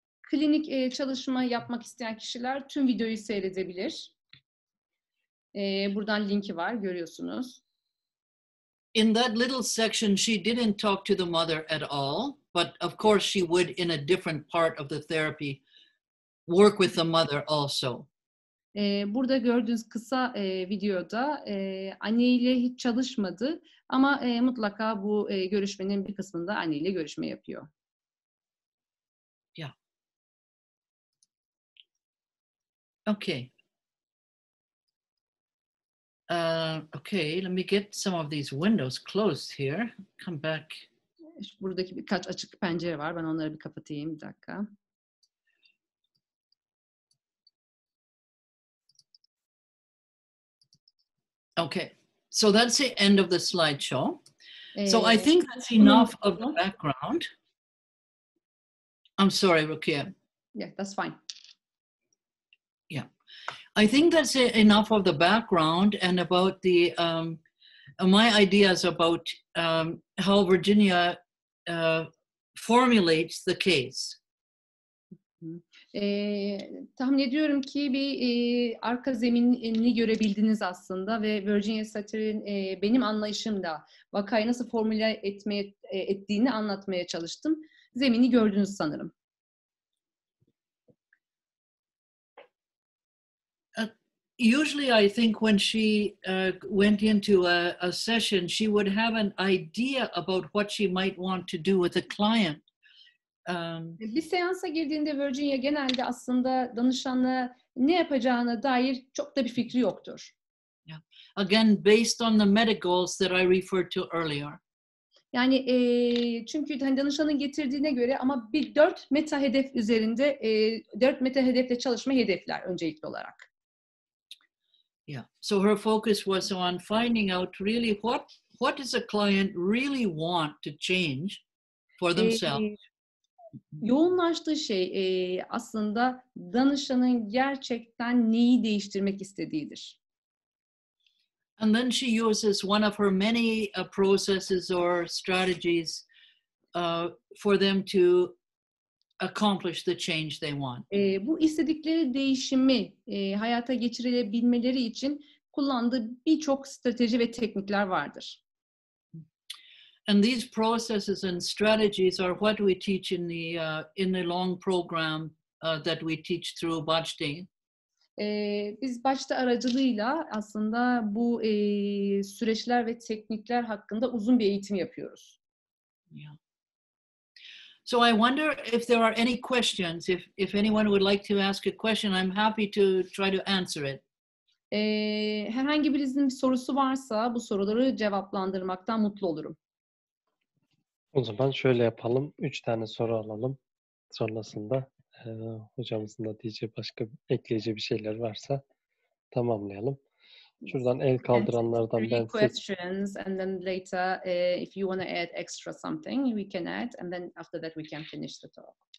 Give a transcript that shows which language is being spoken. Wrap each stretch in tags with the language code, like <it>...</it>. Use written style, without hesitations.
<tr>Klinik çalışma yapmak isteyen kişiler tüm videoyu seyredebilir. Buradan linki var, görüyorsunuz.</tr> <en>In that little section, she didn't talk to the mother at all, but of course she would in a different part of the therapy work with the mother also.</en> <tr>Burada gördüğünüz kısa videoda anneyle hiç çalışmadı ama mutlaka bu görüşmenin bir kısmında anneyle görüşme yapıyor.</tr> <en>Yeah. Okay. Okay, let me get some of these windows closed here. Come back.</en> <tr>Buradaki birkaç açık pencere var. Ben onları bir kapatayım bir dakika.</tr> <en>Okay, so that's the end of the slideshow. So I think that's enough of the background. I'm sorry, Rukia. Yeah, that's fine. Yeah. I think that's enough of the background and about the my ideas about how Virginia formulates the case.</en> <tr>Tahmin ediyorum ki bir arka zeminini görebildiniz aslında ve Virginia Satir'in benim anlayışımda vakayı nasıl formüle etmeye ettiğini anlatmaya çalıştım. Zemini gördünüz sanırım.</tr> <en>Usually I think when she went into a session, she would have an idea about what she might want to do with a client.</en> <tr>Bir seansa girdiğinde Virginia genelde aslında danışanla ne yapacağına dair çok da bir fikri yoktur.</tr> <en>Yeah. Again, based on the medicals that I referred to earlier.</en> <tr>Yani çünkü hani danışanın getirdiğine göre ama bir dört meta hedef üzerinde, dört meta hedefle çalışma hedefler öncelikli olarak.</tr> <en>Yeah. So her focus was on finding out really what does a client really want to change for themselves.</en> <tr>Yoğunlaştığı şey aslında danışanın gerçekten neyi değiştirmek istediğidir.</tr> <en>And then she uses one of her many processes or strategies for them to accomplish the change they want.</en> <tr>Bu istedikleri değişimi hayata geçirebilmeleri için kullandığı birçok strateji ve teknikler vardır.</tr> <en>And these processes and strategies are what we teach in the long program that we teach through Bajde.</en> <tr>Biz Bajde aracılığıyla aslında bu süreçler ve teknikler hakkında uzun bir eğitim yapıyoruz.</tr> <en>Yeah. So I wonder if there are any questions. If anyone would like to ask a question, I'm happy to try to answer it.</en> <tr>Herhangi birinizin bir sorusu varsa bu soruları cevaplandırmaktan mutlu olurum. O zaman şöyle yapalım. 3 tane soru alalım. Sonrasında hocamızın da diyeceği başka ekleyeceği bir şeyler varsa tamamlayalım. Şuradan el kaldıranlardan ben</tr> <en>Questions and then later if you want to add extra something we can add and then after that we can finish the talk.</en>